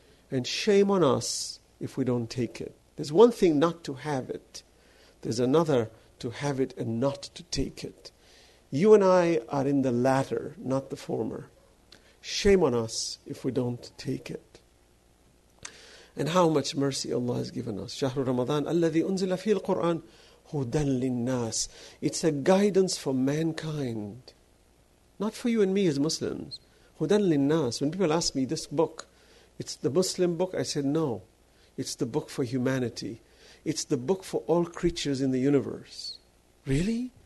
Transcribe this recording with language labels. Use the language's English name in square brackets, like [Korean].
[English] And shame on us if we don't take it. There's one thing not to have it. There's another to have it and not to take it. You and I are in the latter, not the former. Shame on us if we don't take it. And how much mercy Allah has given us. [Arabic] شهر رمضان الذي أنزل فيه القرآن هُدًى للناس. [English] It's a guidance for mankind. Not for you and me as Muslims. [Arabic] هُدًى للناس. [English] When people ask me this book, it's the Muslim book, I said no. It's the book for humanity. It's the book for all creatures in the universe. Really?